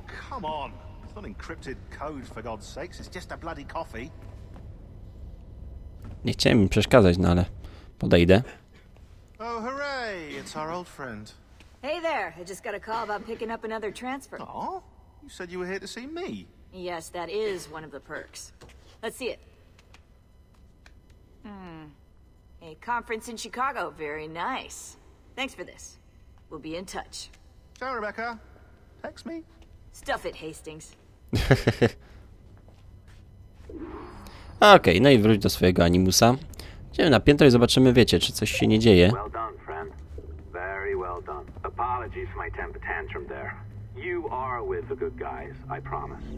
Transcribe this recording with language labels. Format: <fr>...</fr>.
<en>Come on, it's not encrypted code for God's sakes, it's just a bloody coffee.</en> <pl>Nie chciałem im przeszkadzać, no ale podejdę.</pl> <en>Oh, hooray, it's our old friend. Hey there, I just got a call about picking up another transfer. Oh, you said you were here to see me. Yes, that is one of the perks. Let's see it. A conference in Chicago, very nice. Thanks for this. We'll be in touch. Ciao, Rebecca. Text me. Stuff it, Hastings.</en> <pl>Okej, no i wróć do swojego animusa. Idziemy na piętro i zobaczymy, wiecie, czy coś się nie dzieje.</pl> <en>Well done, friend. Very well done. Apologies for my temper tantrum there. You are with the good guys, I promise.</en>